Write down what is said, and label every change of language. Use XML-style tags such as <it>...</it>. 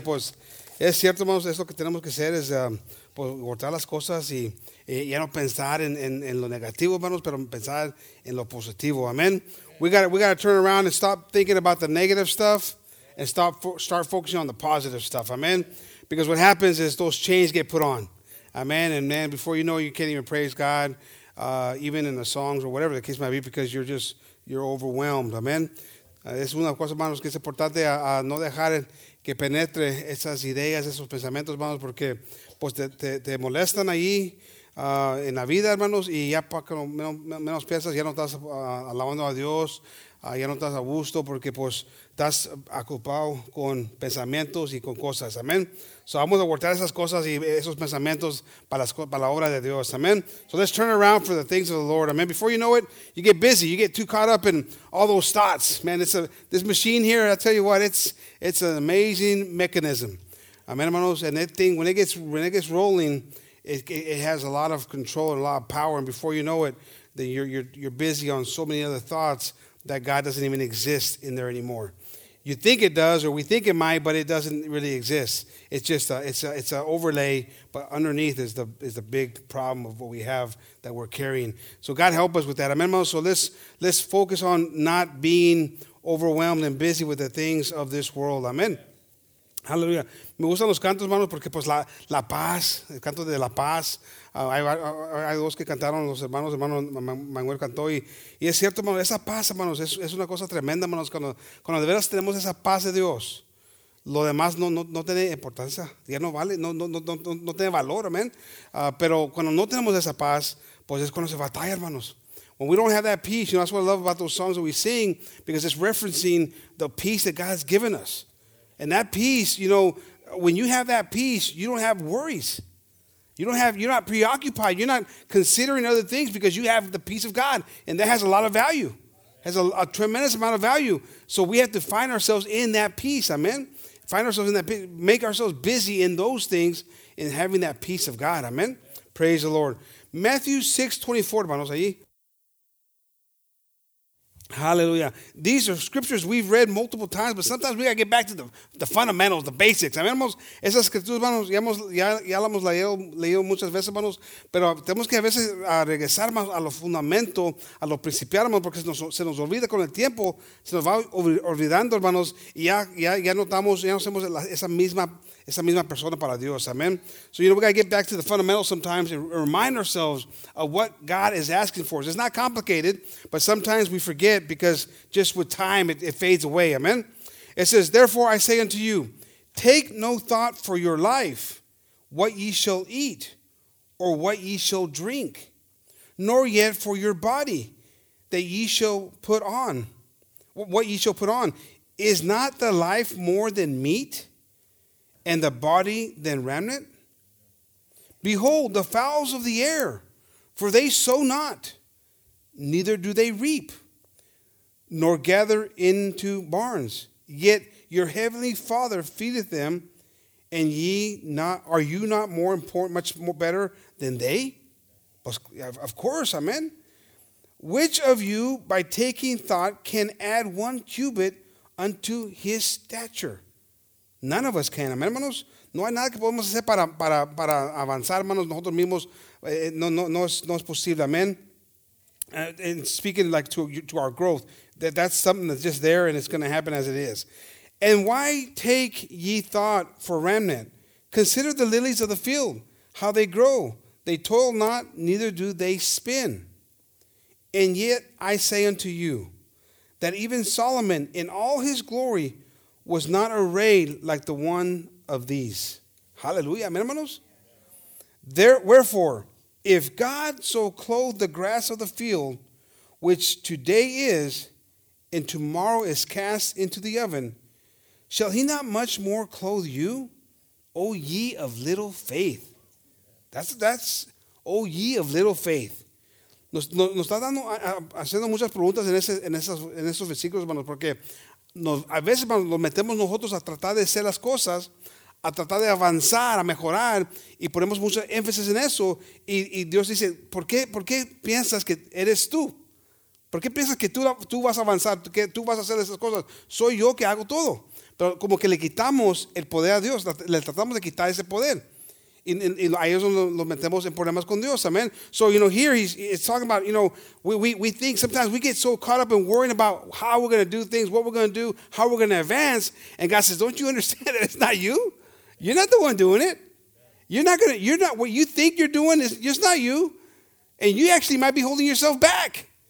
<es>Pues, es cierto, hermanos, es lo que tenemos que hacer es cortar las cosas y ya no pensar en lo negativo, hermanos, pero pensar en lo positivo. Amen.</es> <en>We got to turn around and stop thinking about the negative stuff and start focusing on the positive stuff. Amen. Because what happens is those chains get put on. Amen. And man, before you know, you can't even praise God, even in the songs or whatever the case might be, because you're overwhelmed. Amen.</en> <es>Es una cosa, hermanos, que es importante a no dejar que penetre esas ideas, esos pensamientos, hermanos, porque pues te molestan ahí en la vida, hermanos, y ya para que menos piensas, ya no estás alabando a Dios, ya no estás a gusto, porque pues estás ocupado con pensamientos y con cosas. Amen. So vamos a guardar esas cosas y esos pensamientos para la obra de Dios. Amen.</es> <en>So let's turn around for the things of the Lord. Amen. Before you know it, you get busy. You get too caught up in all those thoughts. Man, this machine here, I tell you what, it's an amazing mechanism. Amen, hermanos. And that thing, when it gets rolling, it has a lot of control and a lot of power. And before you know it, then you're busy on so many other thoughts that God doesn't even exist in there anymore. You think it does, or we think it might, but it doesn't really exist. It's just it's an overlay, but underneath is the big problem of what we have that we're carrying. So God help us with that. Amen, hermanos. So let's focus on not being overwhelmed and busy with the things of this world. Amen. Hallelujah.</en> <es>Me gustan los cantos, hermanos, porque pues la paz, el canto de la paz. Hay dos que cantaron los hermanos, hermano Manuel cantó. Y es cierto, hermanos, esa paz, hermanos, es una cosa tremenda, hermanos. Cuando de veras tenemos esa paz de Dios, lo demás no tiene importancia. Ya no vale, no tiene valor, amén. Pero cuando no tenemos esa paz, pues es cuando se batalla, hermanos.</es> <en>When we don't have that peace, you know, that's what I love about those songs that we sing, because it's referencing the peace that God has given us. And that peace, you know, when you have that peace, you don't have worries. You're not preoccupied. You're not considering other things because you have the peace of God. And that has a lot of value, has a tremendous amount of value. So we have to find ourselves in that peace. Amen. Find ourselves in that peace. Make ourselves busy in those things and having that peace of God. Amen. Praise the Lord. Matthew 6:24,</en> <es>hermanos, ahí. Hallelujah.</es> <en>These are scriptures we've read multiple times, but sometimes we got to get back to the fundamentals, the basics. Amen.</en> <es>Esas escrituras, hermanos, ya las hemos leído muchas veces, hermanos, pero tenemos que a veces regresar más a los fundamentos, a los principios, hermanos, porque se nos olvida con el tiempo, se nos va olvidando, hermanos, y ya notamos, ya no somos esa misma persona para Dios. Amen.</es> <en>So, you know, we got to get back to the fundamentals sometimes and remind ourselves of what God is asking for us. It's not complicated, but sometimes we forget because just with time, it fades away. Amen. It says, therefore, I say unto you, take no thought for your life, what ye shall eat or what ye shall drink, nor yet for your body that ye shall put on. What ye shall put on. Is not the life more than meat? And the body than remnant? Behold, the fowls of the air, for they sow not, neither do they reap, nor gather into barns. Yet your heavenly Father feedeth them, and are you not more important, much more better than they? Of course, amen. Which of you, by taking thought, can add one cubit unto his stature? None of us can, amen, hermanos?</en> <es>No hay nada que podemos hacer para avanzar, hermanos, nosotros mismos. No es posible, amen.</es> <en>And speaking like to our growth, that's something that's just there and it's going to happen as it is. And why take ye thought for remnant? Consider the lilies of the field, how they grow. They toil not, neither do they spin. And yet I say unto you, that even Solomon in all his glory was not arrayed like the one of these. Hallelujah, hermanos. Wherefore, if God so clothed the grass of the field, which today is, and tomorrow is cast into the oven, shall he not much more clothe you, O ye of little faith? That's O ye of little faith.</en> <es>Nos está dando haciendo muchas preguntas en esos versículos, hermanos, porque a veces nos metemos nosotros a tratar de hacer las cosas, a tratar de avanzar, a mejorar, y ponemos mucho énfasis en eso, y Dios dice, ¿por qué piensas que eres tú? ¿Por qué piensas que tú vas a avanzar, que tú vas a hacer esas cosas? Soy yo que hago todo. Pero como que le quitamos el poder a Dios, le tratamos de quitar ese poder. Y ahí es donde nos metemos en problemas con Dios, amen.</es> <en>So, you know, here he's talking about, you know, we think sometimes we get so caught up in worrying about how we're going to do things, what we're going to do, how we're going to advance. And God says, don't you understand that it's not you? You're not the one doing it. You're not what you think you're doing is just not you. And you actually might be holding yourself back.</en>